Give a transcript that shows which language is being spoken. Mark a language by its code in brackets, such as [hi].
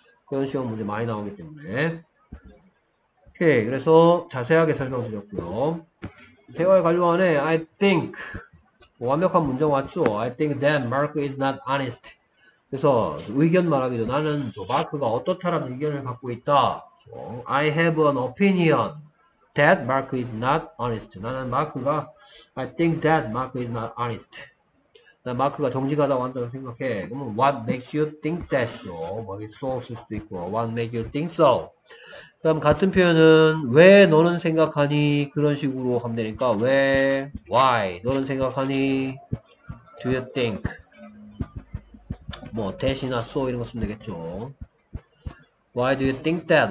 [ko] 그런 시험 문제 많이 나오기 때문에. 오케이. 그래서 자세하게 설명드렸고요. 대화의 관료 안에 [en] I think [ko] 완벽한 문장 왔죠? [en] I think that Mark is not honest. [ko] 그래서 의견 말하기도 나는 저 마크가 어떻다라는 의견을 갖고 있다. [en] I have an opinion that Mark is not honest. [ko] 나는 마크가 [en] I think that Mark is not honest. [ko] 나 마크가 정직하다고 한다고 생각해. [en] 그러면 what makes you think that죠? 뭐 so [ko] 쓸 수도 있고, [en] what makes you think so? [ko] 그다음 같은 표현은 왜 너는 생각하니? 그런 식으로 하면 되니까 왜, why 너는 생각하니? [en] Do you think? [ko] 뭐 that이나 so 이런 거 쓰면 되겠죠. [en] Why do you think that?